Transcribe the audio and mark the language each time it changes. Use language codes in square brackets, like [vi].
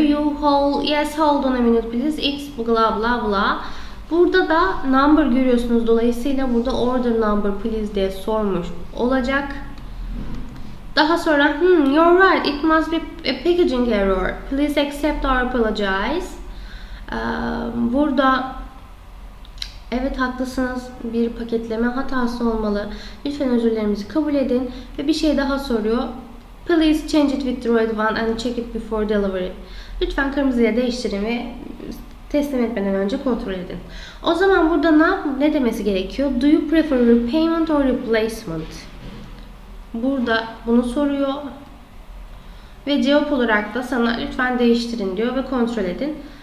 [en] You hold, yes hold on a minute please. It's blah blah blah. [tr] Burada da number görüyorsunuz. Dolayısıyla burada [en] order number please [tr] diye sormuş olacak. Daha sonra [en] you're right. It must be a packaging error. Please accept or apologize. [tr] Burada evet haklısınız. Bir paketleme hatası olmalı. Lütfen özürlerimizi kabul edin. Ve bir şey daha soruyor. [en] Please change it with the red one and check it before delivery. [tr] Lütfen kırmızıya değiştirin ve teslim etmeden önce kontrol edin. O zaman burada ne demesi gerekiyor? [en] Do you prefer repayment or replacement? [tr] Burada bunu soruyor. Ve cevap olarak da sana lütfen değiştirin diyor ve kontrol edin.